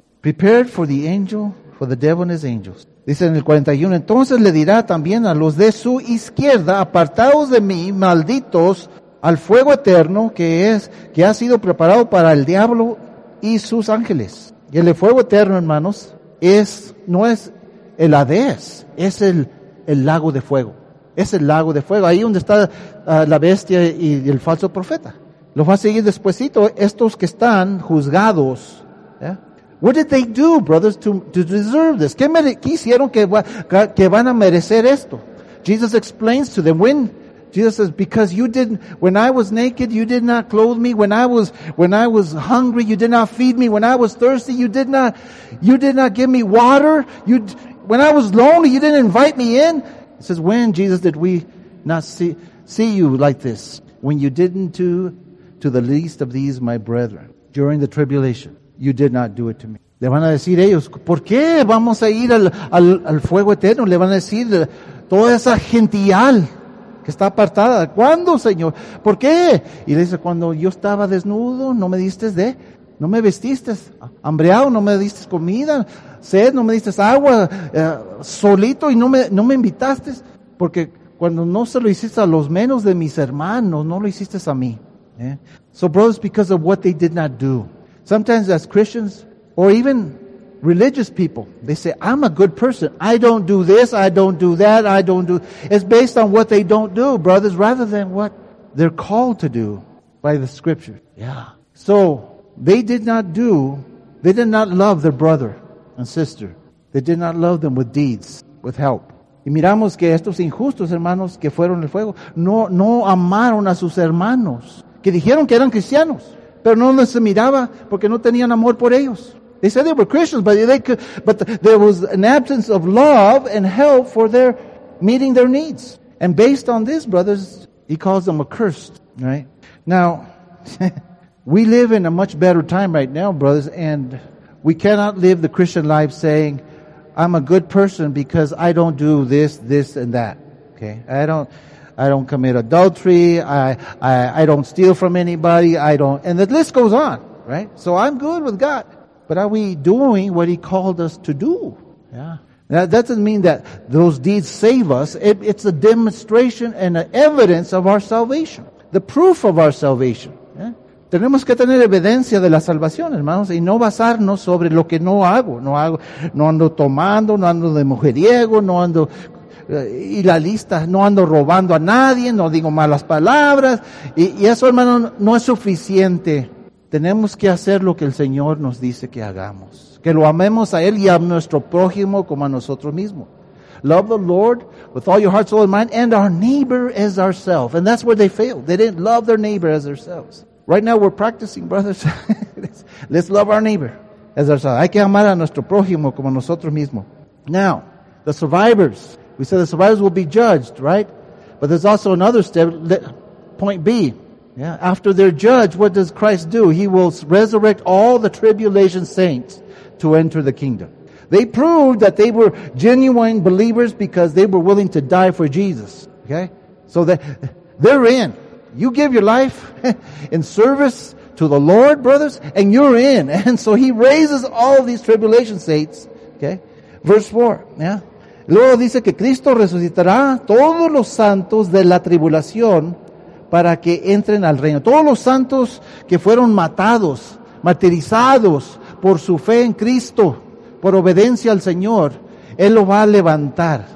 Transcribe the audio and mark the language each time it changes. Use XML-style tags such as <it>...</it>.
<en>Prepared for the angel, for the devil and his angels.</en> <es>Dice en el 41, entonces le dirá también a los de su izquierda, apartaos de mí, malditos, al fuego eterno que ha sido preparado para el diablo y sus ángeles. Y el fuego eterno, hermanos, no es el Hades, es el lago de fuego. Es el lago de fuego, ahí donde está la bestia y el falso profeta. Los va a seguir despuesito, estos que están juzgados. ¿Eh?</es> <en>What did they do, brothers, to deserve this?</en> <es>¿Qué hicieron que van a merecer esto?</es> <en>Jesus explains to them, Jesus says, because you didn't, when I was naked, you did not clothe me. When I was hungry, you did not feed me. When I was thirsty, you did not give me water. When I was lonely, you didn't invite me in. He says, when, Jesus, did we not see you like this? When you didn't do to the least of these, my brethren, during the tribulation, you did not do it to me.</en> <es>Le van a decir ellos, ¿por qué vamos a ir al fuego eterno? Le van a decir toda esa gentil que está apartada. ¿Cuándo, Señor? ¿Por qué? Y le dice, cuando yo estaba desnudo, no me vestiste, hambreado, no me diste comida, sed, no me diste agua, solito y no me invitaste. Porque cuando no se lo hiciste a los menos de mis hermanos, no lo hiciste a mí. Yeah.</es> <en>So, brothers, because of what they did not do. Sometimes as Christians, or even religious people, they say, I'm a good person. I don't do this, I don't do that, I don't do... It's based on what they don't do, brothers, rather than what they're called to do by the Scripture. Yeah. So, they did not love their brother and sister. They did not love them with deeds, with help.</en> <es>Y miramos que estos injustos hermanos que fueron al fuego, no amaron a sus hermanos, que dijeron que eran cristianos, pero no les miraba porque no tenían amor por ellos.</es> <en>They said they were Christians, but there was an absence of love and help for their meeting their needs. And based on this, brothers, he calls them accursed, right? Now, we live in a much better time right now, brothers, and we cannot live the Christian life saying, I'm a good person because I don't do this, this, and that, okay? I don't commit adultery, I don't steal from anybody, and the list goes on, right? So I'm good with God. But are we doing what he called us to do? Yeah. That doesn't mean that those deeds save us. It's a demonstration and an evidence of our salvation. The proof of our salvation. Yeah.</en> <es>Tenemos que tener evidencia de la salvación, hermanos, y no basarnos sobre lo que no hago. No hago, no ando tomando, no ando de mujeriego, no ando, y la lista, no ando robando a nadie, no digo malas palabras. Y eso, hermano, no es suficiente. Tenemos que hacer lo que el Señor nos dice que hagamos. Que lo amemos a Él y a nuestro prójimo como a nosotros mismos.</es> <en>Love the Lord with all your heart, soul, and mind, and our neighbor as ourselves. And that's where they failed. They didn't love their neighbor as ourselves. Right now we're practicing, brothers. Let's love our neighbor as ourselves.</en> <es>Hay que amar a nuestro prójimo como a nosotros mismos.</es> <en>Now, the survivors. We said the survivors will be judged, right? But there's also another step, point B. Yeah. After they're judged, what does Christ do? He will resurrect all the tribulation saints to enter the kingdom. They proved that they were genuine believers because they were willing to die for Jesus. Okay, so they're in. You give your life in service to the Lord, brothers, and you're in. And so he raises all these tribulation saints. Okay, verse 4. Yeah.</en> <es>Luego dice que Cristo resucitará todos los santos de la tribulación para que entren al reino. Todos los santos que fueron matados, martirizados por su fe en Cristo, por obediencia al Señor, Él lo va a levantar.</es>